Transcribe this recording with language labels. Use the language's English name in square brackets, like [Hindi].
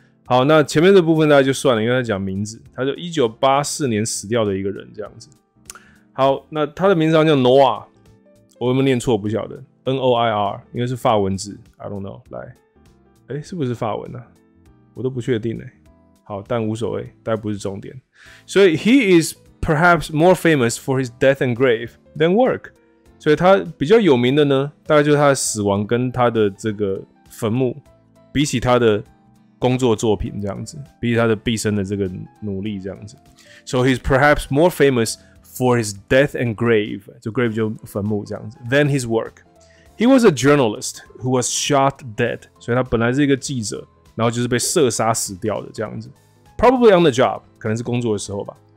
[Chinese] 好，那前面这部分大家就算了，因为他讲名字，他就1984年死掉的一个人这样子。好，那他的名字叫 Noir， 我有没有念错不晓得， N-O-I-R， 因为是法文字， [English] I don't know。 [Chinese] 来，欸，是不是法文啊？我都不确定耶。欸，好，但无所谓，但不是重点。 [English] 所以 He is perhaps more famous for his death and grave than work。 [Chinese] 所以他比较有名的呢，大概就是他的死亡跟他的这个坟墓，比起他的工作作品这样子，比起他的毕生的这个努力这样子。 [English] So he's perhaps more famous for his death and grave， [Chinese] 就 grave 就坟墓这样子， [English] than his work。 He was a journalist who was shot dead， [Chinese] 所以他本来是一个记者，然后就是被射杀死掉的这样子。 [English] Probably on the job， [Chinese] 可能是工作的时候吧。